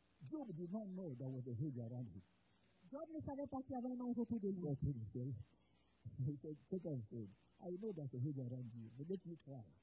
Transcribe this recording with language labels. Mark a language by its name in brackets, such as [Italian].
[English] Job did not know there was a hedge around him. [French] Job ne savait pas qu'il y avait un ange autour de lui. [English] He said, Satan said, I know there's a hedge around you, but let me try.